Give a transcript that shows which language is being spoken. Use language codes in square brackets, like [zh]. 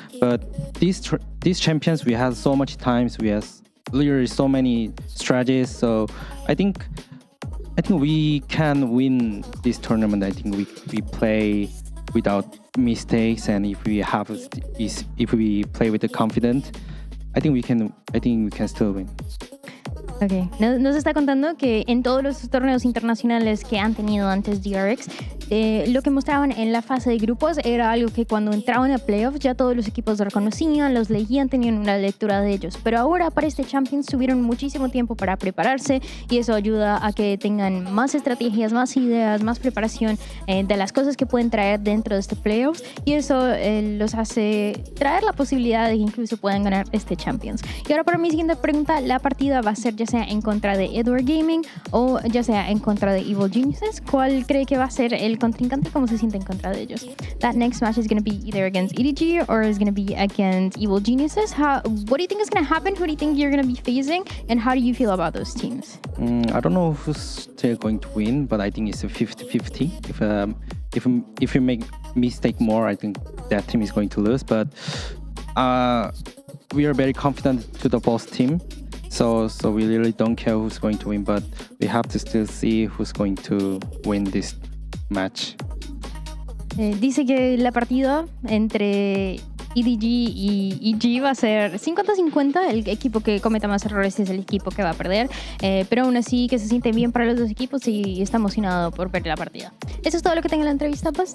[en] But these champions, we have so much times, we have literally so many strategies, so I think we can win this tournament. I think we play without mistakes, and if we play with the confident, I think we can still win. Okay. [es] Nos está contando que en todos los torneos internacionales que han tenido antes DRX, lo que mostraban en la fase de grupos era algo que cuando entraban a playoffs ya todos los equipos reconocían, los leían, tenían una lectura de ellos. Pero ahora para este Champions tuvieron muchísimo tiempo para prepararse y eso ayuda a que tengan más estrategias, más ideas, más preparación de las cosas que pueden traer dentro de este playoffs y eso los hace traer la posibilidad de que incluso puedan ganar este Champions. Y ahora para mi siguiente pregunta, la partida va a ser ya sea en contra de Edward Gaming o ya sea en contra de Evil Geniuses. ¿Cuál cree que va a ser el contrincante y cómo se siente en contra de ellos? [en] That next match is going to be either against EDG or is going to be against Evil Geniuses. What do you think is going to happen? Who do you think you're going to be facing? And how do you feel about those teams? I don't know who's still going to win, but I think it's a 50-50. If you make mistake more, I think that team is going to lose. But we are very confident to the boss team. So we really don't care who's going to win, but we have to still see who's going to win this match. [es] Dice que la partida entre EDG y EG va a ser 50-50, el equipo que cometa más errores es el equipo que va a perder, pero aún así que se siente bien para los dos equipos y está emocionado por ver la partida. Eso es todo lo que tengo en la entrevista, Buzz.